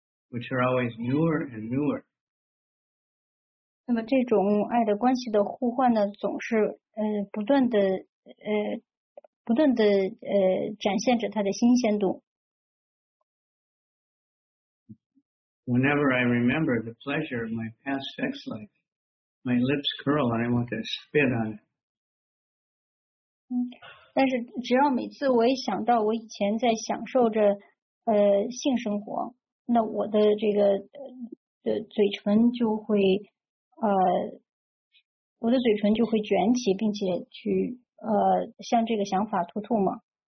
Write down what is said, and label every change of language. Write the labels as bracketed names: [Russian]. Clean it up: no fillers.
[English] ，which are always newer and newer. [Chinese] 那么这种爱的关系的互换呢，总是不断的不断的展现着它的新鲜度。 [English] Whenever I remember the pleasure of my past sex life, my lips curl and I want to spit on it. [Chinese] 但是只要每次我一想到我以前在享受着性生活，那我的这个嘴唇就会我的嘴唇就会卷起，并且去向这个想法吐吐沫。